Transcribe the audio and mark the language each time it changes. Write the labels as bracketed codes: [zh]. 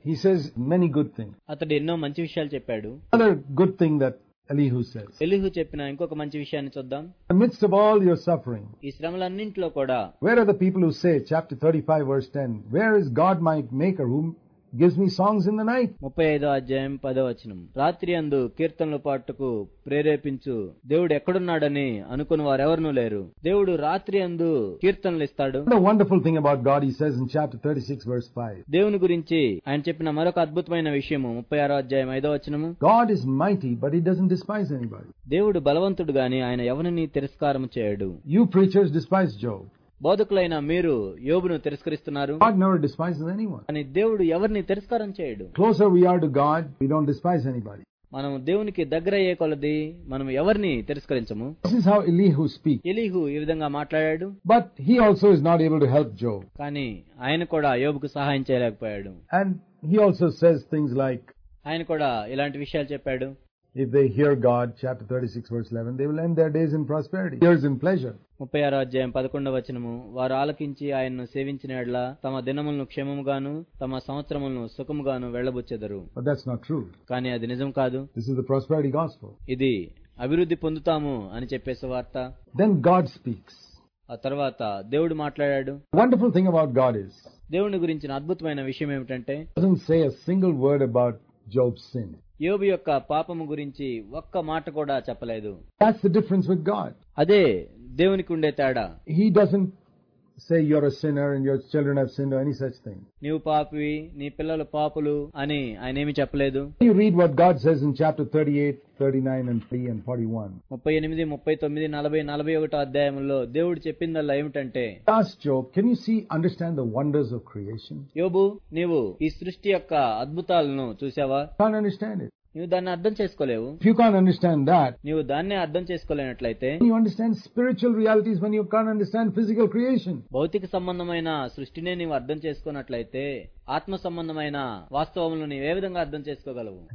[en] He says many good things. [te] అతడు ఎన్నో మంచి విషయాలు చెప్పాడు. [en] Another good thing that Elihu says. [te] Elihu చెప్పిన ఇంకొక మంచి విషయాన్ని చూద్దాం. [en] Amidst of all your suffering. [te] ఈ శ్రమలన్నింటిలో కూడా. [en] Where are the people who say chapter 35 verse 10? Where is God my maker who gives me songs in the night? [te] 35వ అధ్యాయం 10వ వచనం. రాత్రియందు కీర్తనల పాటకు ప్రేరేపించు దేవుడు ఎక్కడున్నాడని అనుకునే వారు ఎవరు లేరు. దేవుడు రాత్రియందు కీర్తనలు ఇస్తాడు. [en] The wonderful thing about God, he says in chapter 36 verse 5. [te] దేవుని గురించి ఆయన చెప్పిన మరొక అద్భుతమైన విషయం 36వ అధ్యాయం 5వ వచనము. [en] God is mighty but he doesn't despise anybody. [te] దేవుడు బలవంతుడు గాని ఆయన ఎవరిని తిరస్కారం చేయడు. [en] You preachers despise Job. [te] బోధకులైన మీరు యోబును తిరస్కరిస్తున్నారు. [en] God never despises anyone. [te] అని దేవుడు ఎవరిని తిరస్కారం చేయడు. [en] Closer we are to God, we don't despise anybody. [te] మనం దేవునికి దగ్గర అయ్యే కొలది మనం ఎవరిని తిరస్కరించము. [en] This is how Elihu speaks. [te] Elihu ఈ విధంగా మాట్లాడాడు. [en] But he also is not able to help Job. [te] కానీ ఆయన కూడా యోబుకు సహాయం చేయలేకపోయాడు. [en] And he also says things like, [te] ఆయన కూడా ఇలాంటి విషయాలు చెప్పాడు. [en] If they hear God, chapter 36 verse 11, they will end their days in prosperity, years in pleasure. [te] 36వ అధ్యాయం 11వ వచనము, వారు ఆలకించి ఆయన్ను సేవించిన యెడల తమ దినములను క్షేమముగాను తమ సంవత్సరములను సుఖముగాను వెళ్ళబుచ్చెదరు. [en] But that's not true. [te] కానీ అది నిజం కాదు. [en] This is the prosperity gospel. [te] ఇది అభివృద్ధి పొందుతాము అని చెప్పే సువార్త. [en] Then God speaks. [te] ఆ తర్వాత దేవుడు మాట్లాడాడు. [en] Wonderful thing about God is, [te] దేవుని గురించిన అద్భుతమైన విషయం ఏమిటంటే, [en] doesn't say a single word about Job's sin. [te] యోబు యొక్క పాపము గురించి ఒక్క మాట కూడా చెప్పలేదు. [en] That's the difference with God. [te] అదే దేవునికి ఉండే తేడా. [en] He doesn't say you're a sinner and your children have sinned or any such thing. [te] నీవు పాపివి నీ పిల్లలు పాపులు అని ఆయన ఏమీ చెప్పలేదు. [en] You read what God says in chapter 38, 39 and 3 and 41. [te] 38, 39, 40, 41వ అధ్యాయంలో దేవుడు చెప్పినదల్లా ఏమిటంటే, [en] Ask Job, can you see, understand the wonders of creation? [te] యోబు నీవు ఈ సృష్టి యొక్క అద్భుతాలను చూసావా? [en] Can't understand it. [te] నీవు దాన్ని అర్థం చేసుకోలేవు. [en] if you can't understand that, [te] నీవు దాన్ని అర్థం చేసుకోలేనట్లయితే, [en] you understand spiritual realities when you can't understand physical creation, [te] భౌతిక సంబంధమైన సృష్టినే నీవు అర్థం చేసుకున్నట్లయితే ఆత్మ సంబంధమైన వాస్తవములను నీవు ఏ విధంగా అర్థం చేసుకోగలవు.